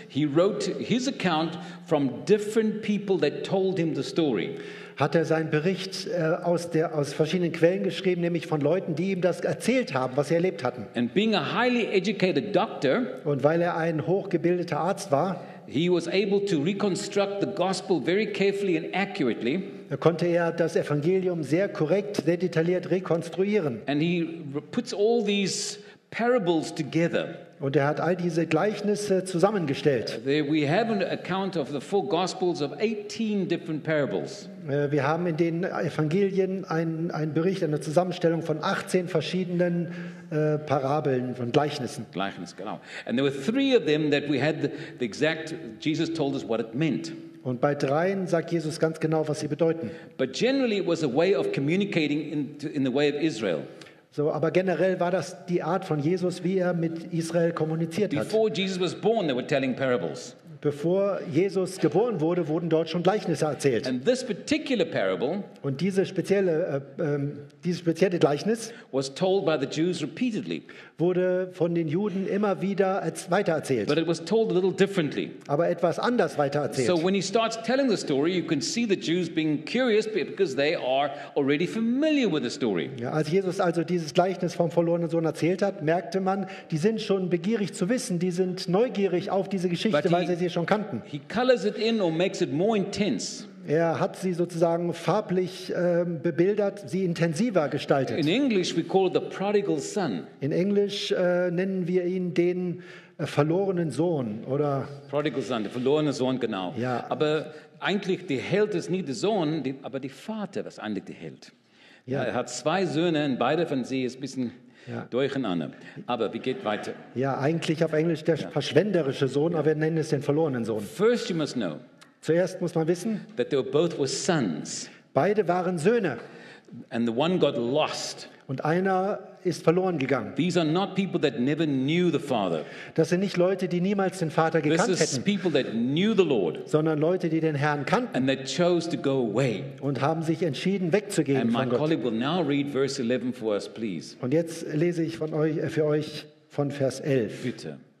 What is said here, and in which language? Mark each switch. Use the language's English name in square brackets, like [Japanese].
[English] he wrote his account from different people that told him the story. [German] Hat er seinen Bericht aus verschiedenen Quellen geschrieben, nämlich von Leuten, die ihm das erzählt haben, was sie erlebt hatten. [English] And being a highly educated doctor, [German] und weil er ein hochgebildeter Arzt war, [English] he was able to reconstruct the gospel very carefully and accurately. [German] Da konnte er das Evangelium sehr korrekt, sehr detailliert rekonstruieren. [English] And he puts all these parables together. [German] Und er hat all diese Gleichnisse zusammengestellt. [English] We have an account of the four gospels of 18 different parables. [German] Wir haben in den Evangelien einen Bericht, eine Zusammenstellung von 18 verschiedenen Parabeln von Gleichnissen. Gleichnis, genau. [English] And there were three of them that we had the exact Jesus told us what it meant. [German] Und bei dreien sagt Jesus ganz genau, was sie bedeuten. [English] But generally it was a way of communicating in the way of Israel. [German] So, aber generell war das die Art von Jesus, wie er mit Israel kommuniziert hat. [English] Before Jesus was born, they were telling parables. [German] Bevor Jesus geboren wurde, wurden dort schon Gleichnisse erzählt. [English] And this particular parable, [German] und dieses spezielle Gleichnis, [English] was told by the Jews repeatedly, [German] wurde von den Juden immer wieder weitererzählt. [English] But it was told a little differently. [German] Aber etwas anders weitererzählt. [English] So when he starts telling the story, you can see the Jews being curious because they are already familiar with the story. [German] Ja, als Jesus also dieses Gleichnis vom verlorenen Sohn erzählt hat, merkte man, die sind schon begierig zu wissen, die sind neugierig auf diese Geschichte, weil sie schon kannten. [English] He colors it in or makes it more intense. [German] Er hat sie sozusagen farblich bebildert, sie intensiver gestaltet. [English] In English we call it the prodigal son. [German] In Englisch nennen wir ihn den verlorenen Sohn oder [English] prodigal son, [German] der verlorene Sohn, genau. Ja. Aber eigentlich der Held ist nicht der Sohn, aber der Vater, was eigentlich der Held. Ja. Er hat zwei Söhne und beide von sie ist ein bisschen ja. durcheinander. Aber wie geht weiter? Ja, eigentlich auf Englisch der ja. verschwenderische Sohn, ja. aber wir nennen es den verlorenen Sohn. [English] First you must know. [German] Zuerst muss man wissen, [English] that they both were sons. [German] Beide waren Söhne. [English] And the one got lost. [German] Und einer ist verloren gegangen. [English] These are not people that never knew the Father. [German] Das sind nicht Leute, die niemals den Vater gekannt [English] This is [German] hätten. [English] People that knew the Lord. [German] Sondern Leute, die den Herrn kannten. [English] And they chose to go away. [German] Und haben sich entschieden, wegzugehen [English] And [German] von [English] my [German] Gott. [English] Colleague will now read verse 11 for us, please. [German] Und jetzt lese ich von euch, für euch von Vers 11. Bitte.